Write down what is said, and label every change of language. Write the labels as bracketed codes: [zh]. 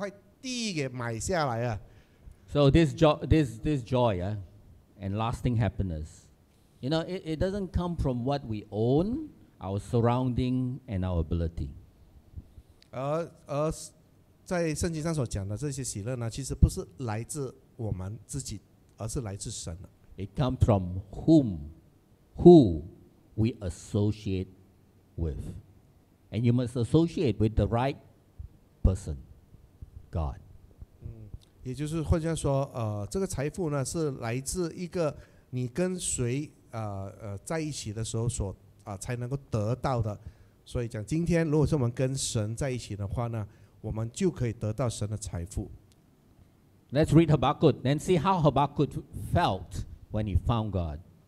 [zh] 是的，你肯定会做的事情就是，如果今天的话，你肯定是要找到那块地到底是谁的，然后赶快把整块地给买下来啊。 [en] So this joy, and lasting happiness, you know, it doesn't come from what we own, our surrounding, and our ability. [zh] 而在圣经上所讲的这些喜乐呢，其实不是来自我们自己，而是来自神的。 [en] It comes from who we associate with. And you must associate with the right person, God. [zh] 也就是换句话说，这个财富呢，是来自一个你跟谁在一起的时候所才能够得到的。所以讲，今天如果是我们跟神在一起的话呢，我们就可以得到神的财富。 [en] Let's read Habakkuk, then see how Habakkuk felt when he found God.